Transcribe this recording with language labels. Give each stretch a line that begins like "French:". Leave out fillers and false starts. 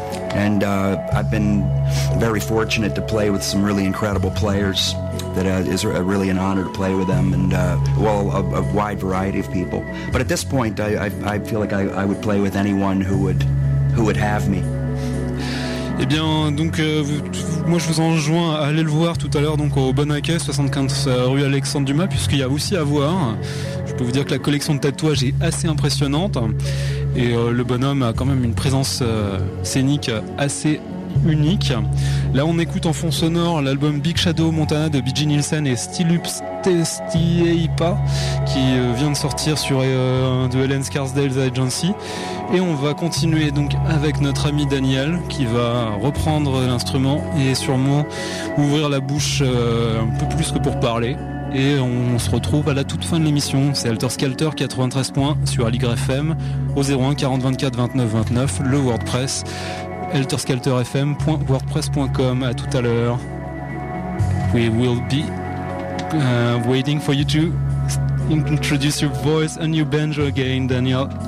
English: And I've been very fortunate to play with some really incredible players. That is really an honor to play with them, and a wide variety of people. But at this point, I feel like I would play with anyone who would have me.
French: Eh bien, donc, moi je vous enjoins à aller le voir tout à l'heure donc au Bon Accueil, 75 rue Alexandre Dumas, puisqu'il y a aussi à voir. Je peux vous dire que la collection de tatouages est assez impressionnante. Et le bonhomme a quand même une présence scénique assez unique. Là, on écoute en fond sonore l'album Big Shadow Montana de B.J. Nielsen et Stilups Testieipa, qui vient de sortir sur de Ellen Scarsdale's Agency. Et on va continuer donc avec notre ami Daniel, qui va reprendre l'instrument et sûrement ouvrir la bouche un peu plus que pour parler. Et on se retrouve à la toute fin de l'émission. C'est Alter Skelter 93 points sur Aligre FM au 01 40 24 29 29, le WordPress. Elterskelterfm.wordpress.com. À tout à l'heure.
English: We will be waiting for you to introduce your voice and your banjo again, Daniel.